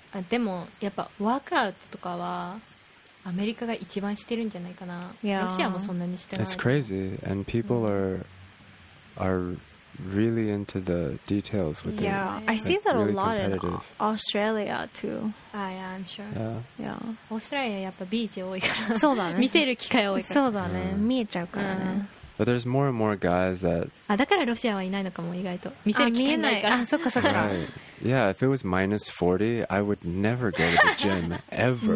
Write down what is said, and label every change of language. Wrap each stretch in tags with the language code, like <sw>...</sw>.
<ja>でもやっぱワークアウトとかはアメリカが一番してるんじゃないかな、</ja> <en>yeah.</en> <ja>ロシアもそんなにしてない。</ja> <en>It's crazy and people are really into the details with yeah. it. Yeah, I see that、really、a lot in Australia too. Ah, yeah, I'm sure. Yeah. Yeah.</en> <ja>オーストラリアやっぱビーチ多いからそうだね見せる機会多いからそうだね、yeah. 見えちゃうからね、</ja> <en>But there's more and more guys that...</en> <ja>だからロシアはいないのかも意外と見せる機会ないから見えない。あ、そっかそっか。</ja> <en>Right. Yeah, if it was minus 40, I would never go to the gym, ever.</en>